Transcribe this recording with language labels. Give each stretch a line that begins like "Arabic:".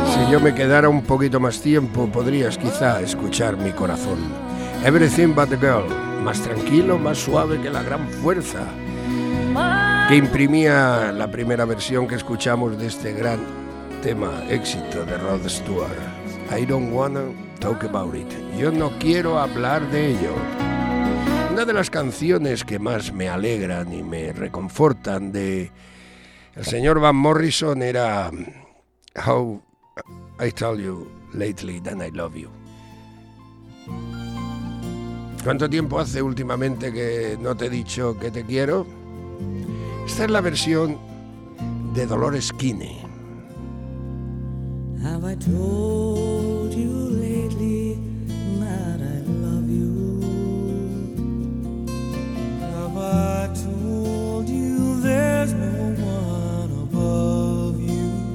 Spanish: yo me quedara un poquito más tiempo, podrías quizá escuchar mi corazón. Everything But The Girl, más tranquilo, más suave que la gran fuerza que imprimía la primera versión que escuchamos de este gran tema, éxito de Rod Stewart.
English: I don't wanna talk about it.
Spanish: Yo no quiero hablar de ello. Una de las canciones que más me alegran y me reconfortan de el señor Van Morrison era How I Tell You Lately That I Love You. ¿Cuánto tiempo hace últimamente que no te he dicho que te quiero? Esta es la versión de Dolores Quine.
English: Have I told you lately that I love you? Have I told you there's no one above you?